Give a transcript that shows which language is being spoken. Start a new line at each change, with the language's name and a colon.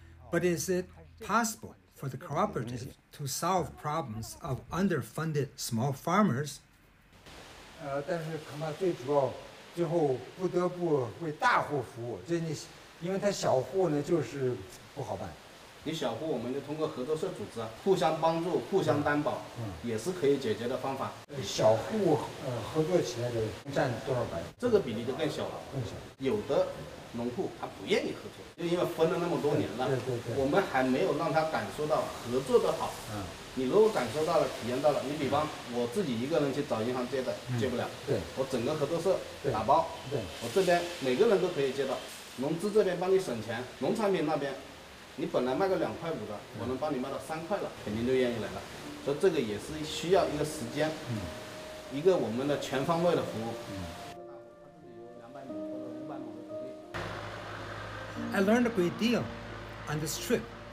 English: But is it possible for the cooperative to solve problems of underfunded small farmers?
Chinese: 但是恐怕最主要最后不得不为大户服务，就你，因为他小户呢就是不好办。你小户，我们就通过合作社组织，互相帮助，互相担保，嗯，也是可以解决的方法。小户合作起来的占多少百分？这个比例就更小了。更小。有的农户他不愿意合作，就因为分了那么多年了。对对对。我们还没有让他感受到合作的好。嗯。你如果感受到了、体验到了，你比方我自己一个人去找银行借的，借不了。对。我整个合作社打包。对。我这边每个人都可以借到，农资这边帮你省钱，农产品那边。你本来卖个2.5块的，我能帮你卖到3块了，肯定就愿意来了。所以这个也是需要一个时间，嗯、一个我们的全方位的服务。嗯、
English: I learned a great deal on this trip.